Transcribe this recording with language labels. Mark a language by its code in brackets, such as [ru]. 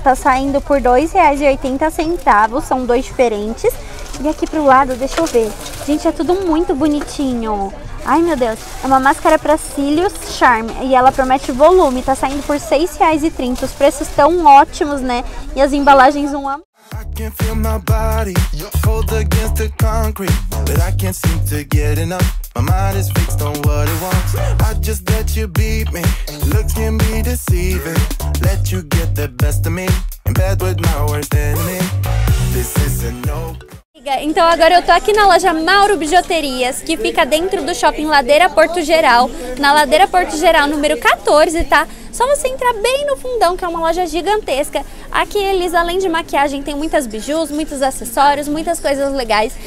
[pt] Tá saindo por R$2,80, são dois diferentes. E aqui pro lado, deixa eu ver. Gente, é tudo muito bonitinho. Ai, meu Deus. É uma máscara para cílios Charm. E ela promete volume. Tá saindo por R$6,30. Os preços estão ótimos, né? E as embalagens, um amor. [en] I can feel my body, cold against the concrete, but I can't seem to get enough, my mind is fixed on what it wants, I just let you beat me, looks can be deceiving, let you get the best of me, in bed with my worst enemy, this is a no. [pt] Então agora eu tô aqui na loja Mauro Bijuterias, que fica dentro do shopping Ladeira Porto Geral, na Ladeira Porto Geral número 14, tá? Só você entrar bem no fundão, que é uma loja gigantesca. Aqui eles, além de maquiagem, tem muitas bijus, muitos acessórios, muitas coisas legais.